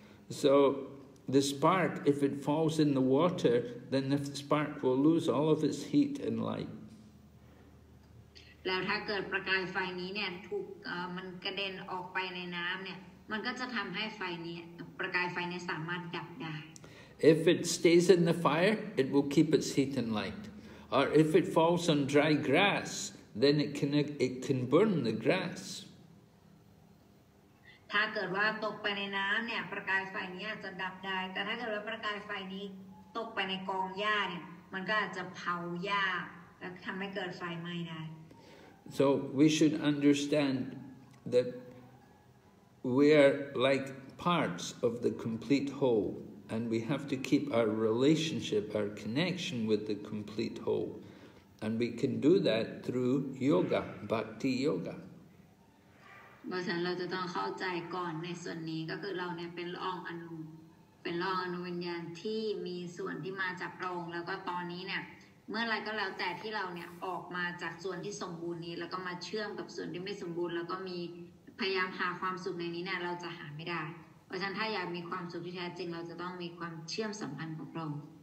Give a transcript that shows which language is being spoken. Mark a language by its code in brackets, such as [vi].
[en] So the spark if it falls in the water then the spark will lose all of its heat and light. [th] แล้วถ้าเกิดประกายไฟนี้เนี่ยถูกมันกระเด็นออกไปในน้ำเนี่ยมันก็จะทำให้ไฟนี้ประกายไฟนี้สามารถดับได้ [en] If it stays in the fire, it will keep its heat and light. Or if it falls on dry grass, then it can burn the grass. [th] ถ้าเกิดว่าตกไปในน้ำเนี่ยประกายไฟนี้อาจจะดับได้แต่ถ้าเกิดว่าประกายไฟนี้ตกไปในกองหญ้าเนี่ยมันก็อาจจะเผาหญ้าแล้วทำให้เกิดไฟไหม้ได้ [en] So we should understand that we are like parts of the complete whole and we have to keep our relationship, our connection with the complete whole. And we can do that through yoga, bhakti yoga. [th] เพราะฉะนั้นเราจะต้องเข้าใจก่อนในส่วนนี้ก็คือเราเนี่ยเป็นละอองอนุวิญญาณที่มีส่วนที่มาจากพระองค์แล้วก็ตอนนี้เนี่ยเมื่อไรก็แล้วแต่ที่เราเนี่ยออกมาจากส่วนที่สมบูรณ์นี้แล้วก็มาเชื่อมกับส่วนที่ไม่สมบูรณ์แล้วก็มีพยายามหาความสุขในนี้เนี่ยเราจะหาไม่ได้เพราะฉะนั้นถ้าอยากมีความสุขที่แท้จริงเราจะต้องมีความเชื่อมสัมพันธ์กับพระองค์